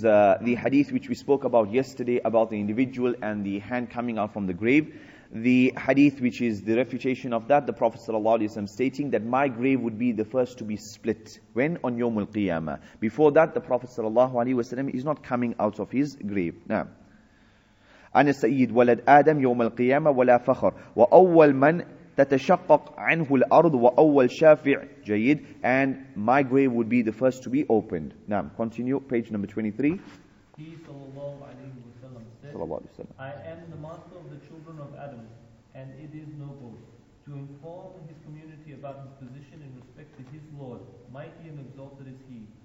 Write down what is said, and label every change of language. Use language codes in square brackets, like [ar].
[en] the hadith which we spoke about yesterday about the individual and the hand coming out from the grave. The hadith which is the refutation of that, the Prophet sallallahu alaihi wasallam stating that my grave would be the first to be split. When? On Yawm al-Qiyamah. Before that, the Prophet sallallahu alaihi wasallam is not coming out of his grave. Now, [ar] أنا سيد ولد آدم يوم القيامة ولا فخر وأول من تتشقق عنه الأرض وأول شافع جيد. [en] And my grave would be the first to be opened. Now, continue, page number 23. He, sallallahu alayhi wa sallam, said, sallallahu alayhi wa sallam, I am the master of the children of Adam, and it is no boast to inform his community about his position in respect to his Lord, mighty and exalted is he.